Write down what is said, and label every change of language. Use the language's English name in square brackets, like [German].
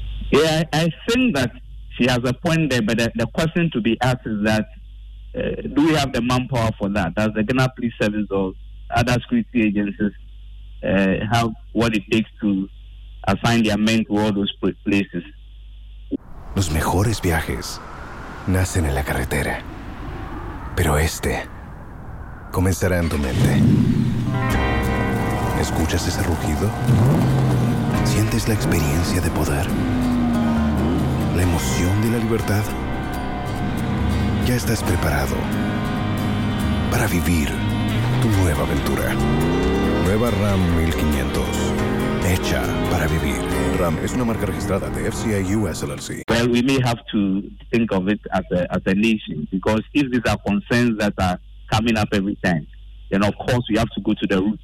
[English] Yeah, I think that she has a point there, but the question to be asked is that do we have the manpower for that? Does the Ghana Police Service or other security agencies have what it takes to assign their men to all those places? [Spanish] Los mejores viajes nacen en la carretera, pero este comenzará en tu mente. ¿Escuchas ese rugido? ¿Sientes la experiencia de poder? ¿La emoción de la libertad? ¿Ya estás preparado para vivir tu nueva aventura? Nueva Ram 1500. Hecha para vivir. Ram es una marca registrada de FCA US LLC. [English] Well, we may have to think of it as a nation, because if these are concerns that are coming up every time, then of course we have to go to the roots.